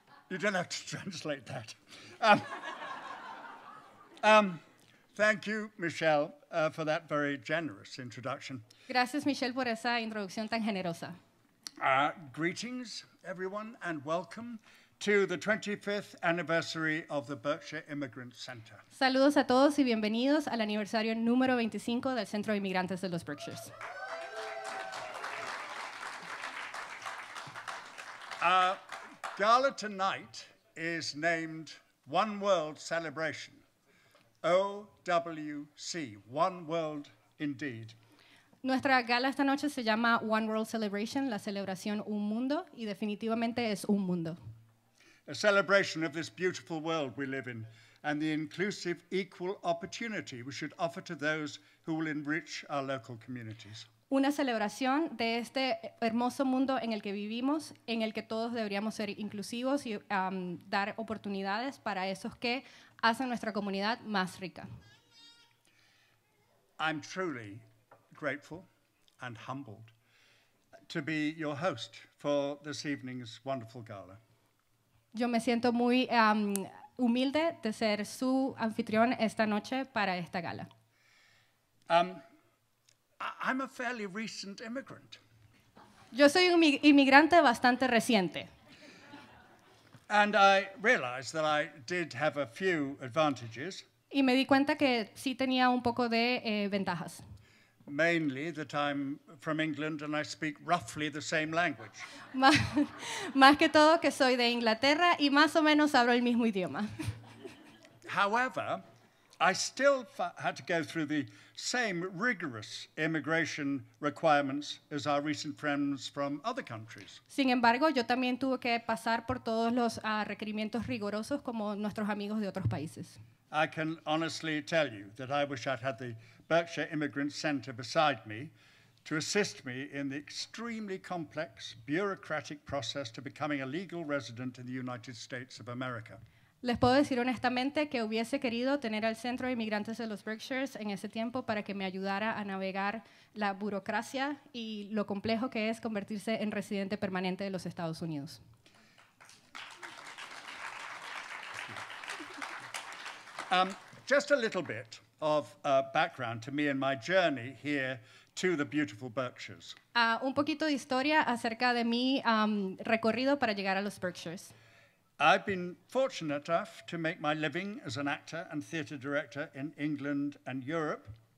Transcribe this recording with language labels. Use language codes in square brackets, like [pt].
[en] You don't have to translate that. Thank you, Michelle, for that very generous introduction. [es] Gracias, Michelle, por esa introducción tan generosa. [en] Greetings, everyone, and welcome to the 25th anniversary of the Berkshire Immigrant Center. [es] Saludos a todos y bienvenidos al aniversario número 25 del Centro de Inmigrantes de los Berkshires. [en] Gala tonight is named One World Celebration. OWC, One World Indeed. [es] Nuestra gala esta noche se llama One World Celebration, la celebración un mundo, y definitivamente es un mundo. [en] A celebration of this beautiful world we live in and the inclusive equal opportunity we should offer to those who will enrich our local communities. [es] Una celebración de este hermoso mundo en el que vivimos, en el que todos deberíamos ser inclusivos y dar oportunidades para esos que hacen nuestra comunidad más rica. [en] I'm truly grateful and humbled to be your host for this evening's wonderful gala. [es] Yo me siento muy humilde de ser su anfitrión esta noche para esta gala. [en] I'm a fairly recent immigrant. [es] Yo soy un inmigrante bastante reciente. [en] And I realized that I did have a few advantages. [es] Y me di cuenta que sí tenía un poco de ventajas. [en] Mainly that I'm from England and I speak roughly the same language. [es] Más que todo que soy de Inglaterra y más o menos hablo el mismo idioma. [en] However, I still had to go through the same rigorous immigration requirements as our recent friends from other countries. [es] Sin embargo, yo también tuve que pasar por todos los requerimientos rigurosos como nuestros amigos de otros países. [en] I can honestly tell you that I wish I'd had the Berkshire Immigrant Center beside me to assist me in the extremely complex bureaucratic process to becoming a legal resident in the United States of America. [es] Les puedo decir honestamente que hubiese querido tener al Centro de Inmigrantes de los Berkshires en ese tiempo para que me ayudara a navegar la burocracia y lo complejo que es convertirse en residente permanente de los Estados Unidos. [en] Just a little bit of background to me and my journey here to the beautiful Berkshires. [es] Un poquito de historia acerca de mi recorrido para llegar a los Berkshires. [en] I've been fortunate enough to make my living as an actor and theater director in England and Europe.